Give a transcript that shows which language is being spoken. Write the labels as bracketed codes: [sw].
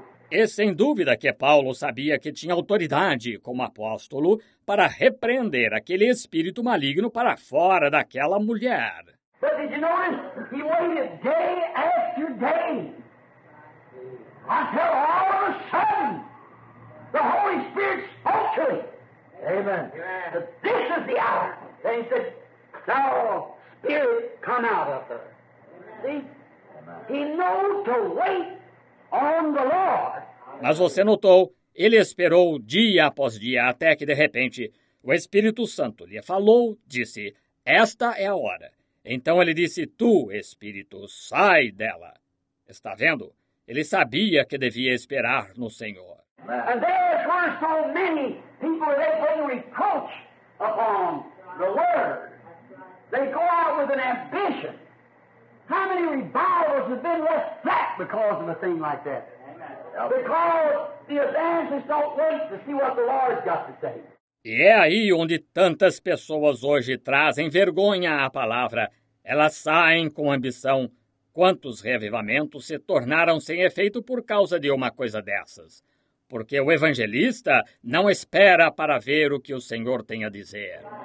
[pt] E sem dúvida que Paulo sabia que tinha autoridade como apóstolo para repreender aquele espírito maligno para fora daquela mulher. [en] But did you notice? He waited day after day until all of a sudden the Holy Spirit spoke to him. Amen. This is the hour. And he said, thou spirit, come out of her. See? He knows to wait on the Lord. [pt] Mas você notou, ele esperou dia após dia até que, de repente, o Espírito Santo lhe falou, disse, esta é a hora. Então ele disse, tu, Espírito, sai dela. Está vendo? Ele sabia que devia esperar no Senhor. [en] And there were so many people that they bring reproach upon the word. They go out with an ambition. How many revivals have been left flat because of a thing like that? Because the evangelists don't wait to see what the Lord has got to say. [pt] E é aí onde tantas pessoas hoje trazem vergonha à palavra. Elas saem com ambição. Quantos reavivamentos se tornaram sem efeito por causa de uma coisa dessas? Porque o evangelista não espera para ver o que o Senhor tem a dizer.